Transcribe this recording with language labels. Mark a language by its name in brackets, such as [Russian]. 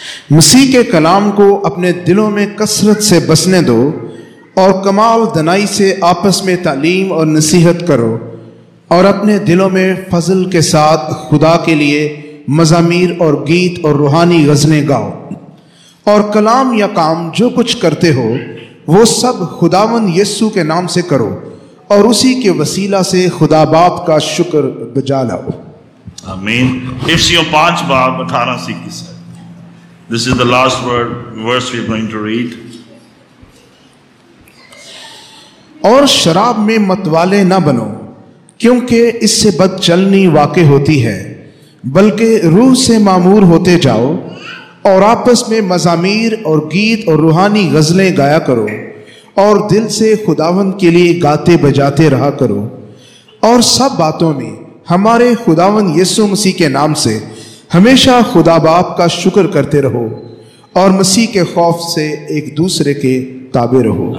[Urdu] مسیح کے کلام کو اپنے دلوں میں کثرت سے بسنے دو, اور کمال دنائی سے آپس میں تعلیم اور نصیحت کرو, اور اپنے دلوں میں فضل کے ساتھ خدا کے لیے مزامیر اور گیت اور روحانی غزلیں گاؤ, اور کلام یا کام جو کچھ کرتے ہو وہ سب خداوند یسوع کے نام سے کرو, اور اسی کے وسیلہ سے خدا باپ کا شکر بجا لاؤ. آمین. [English] افسیوں 5:18-21, this is the last verse we are going to read. [Urdu] اور شراب میں متوالے نہ بنو, کیونکہ اس سے بد چلنی واقع ہوتی ہے, بلکہ روح سے معمور ہوتے جاؤ, اور آپس میں مزامیر اور گیت اور روحانی غزلیں گایا کرو, اور دل سے خداوند کے لیے گاتے بجاتے رہا کرو, اور سب باتوں میں ہمارے خداوند یسوع مسیح کے نام سے ہمیشہ خدا باپ کا شکر کرتے رہو, اور مسیح کے خوف سے ایک دوسرے کے تابع رہو.